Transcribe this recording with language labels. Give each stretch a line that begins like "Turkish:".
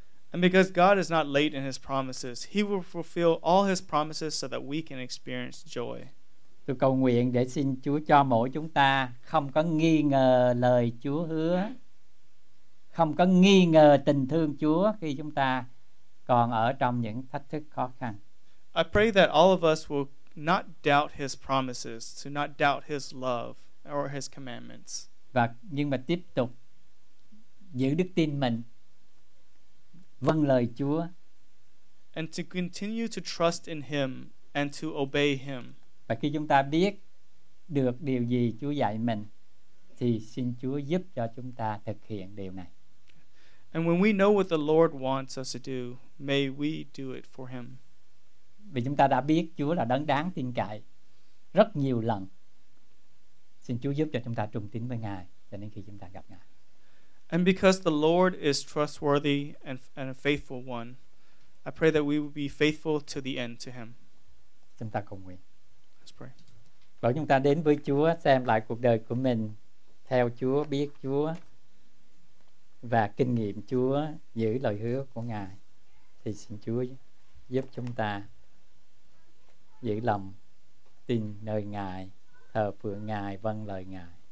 English: And because God is not late in his promises, he will fulfill all his promises so that we can experience joy.
Vietnamese: Tôi cầu nguyện để xin Chúa cho mỗi chúng ta không có nghi ngờ lời Chúa hứa, không có nghi ngờ tình thương Chúa khi chúng ta còn ở trong những thách thức khó khăn.
English: I pray that all of us will not doubt his promises, to not doubt his love or his commandments.
Vietnamese: Và nhưng mà tiếp tục giữ đức tin mình, vâng lời Chúa.
English: And to continue to trust in him and to obey him.
Vietnamese: Và khi chúng ta biết được điều gì Chúa dạy mình thì xin Chúa giúp cho chúng ta thực hiện điều này.
English: And when we know what the Lord wants us to do, may we do it for him.
Vietnamese: Vì chúng ta đã biết Chúa là đấng đáng tin cậy rất nhiều lần. Xin Chúa giúp cho chúng ta trung tín với Ngài cho đến khi chúng ta gặp Ngài.
English: And because the Lord is trustworthy and a faithful one, I pray that we will be faithful to the end to him.
Vietnamese: Chúng ta cùng nguyện.
English: Let's pray.
Vietnamese: Bảo chúng ta đến với Chúa, xem lại cuộc đời của mình, theo Chúa, biết Chúa và kinh nghiệm Chúa, giữ lời hứa của Ngài, thì xin Chúa giúp chúng ta giữ lòng tin nơi Ngài, thờ phượng Ngài, vâng lời Ngài.